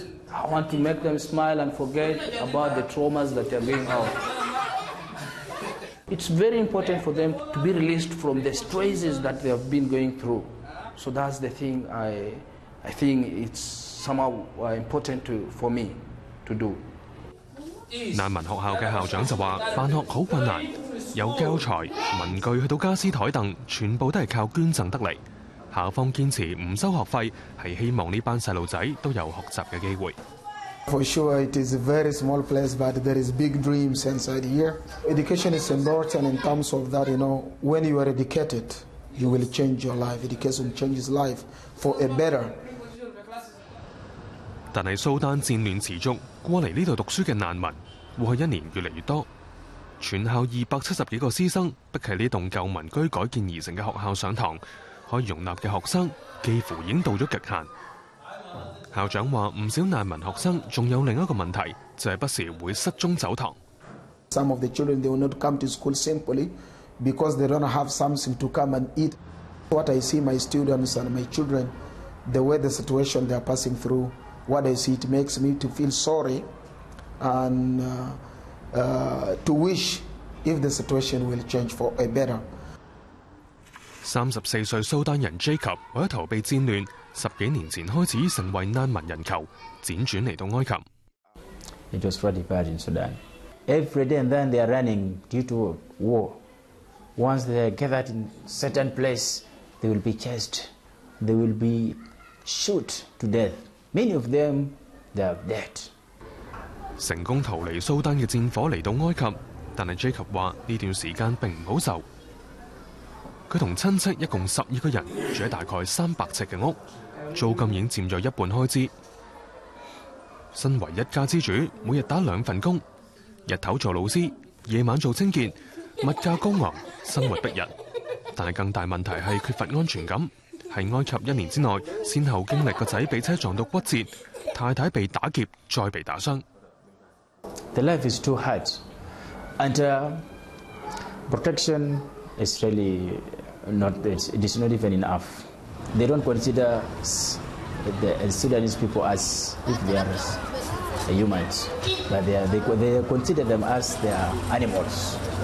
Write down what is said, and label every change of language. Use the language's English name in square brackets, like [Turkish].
[English] I want to make them smile and forget about the traumas that they're being held. It's very important for them to be released from the stresses that they have been going through. So that's the thing I think it's somehow important to, for me to do. [Cantonese] 難民學校的校長就說辦學很困難，有教材、文具去到家私台等全部都是靠捐贈得來。校方堅持不收學費，是希望這班小孩子都有學習的機會。 [English] For sure, it is a very small place, but there is big dreams inside here. Education is important in terms of that, you know, when you are educated. You will change your life. Education changes life for a better. [Cantonese] 但是蘇丹戰亂持續，過嚟呢度讀書嘅難民過去一年越嚟越多。全校270多个師生逼喺呢棟舊民居改建而成嘅學校上堂，可以容納嘅學生幾乎已經到咗極限。校長話：唔少難民學生仲有另一個問題，就係不時會失蹤走堂。 [English] Some of the children they will not come to school simply. Because they don't have something to come and eat. What I see my students and my children, the way the situation they are passing through, what I see, it makes me to feel sorry and to wish if the situation will change for a better. [Cantonese] 34岁苏丹人 Jacob 为了逃避战乱，十几年前开始成为难民人球，辗转来到埃及。 [English] It was really bad in Sudan. Every day and then they are running due to war. Once they are gathered in certain place, they will be chased. They will be shot to death. Many of them, they are dead. [Cantonese] 成功逃离苏丹的战火来到埃及，但是 Jacob 说这段时间并不好受。他和亲戚一共12个人住在大概300尺的屋，租金已经占了一半开支。身为一家之主，每日打2份工，日头做老师，夜晚做清洁。物价高昂，生活逼人，但系更大问题系缺乏安全感。喺埃及一年之内，先后经历个仔被车撞到骨折，太太被打劫，再被打伤。 [English] The life is too hard, and protection is really not. It is not even enough. They don't consider the Sudanese people as if they are humans, but they consider them as their animals.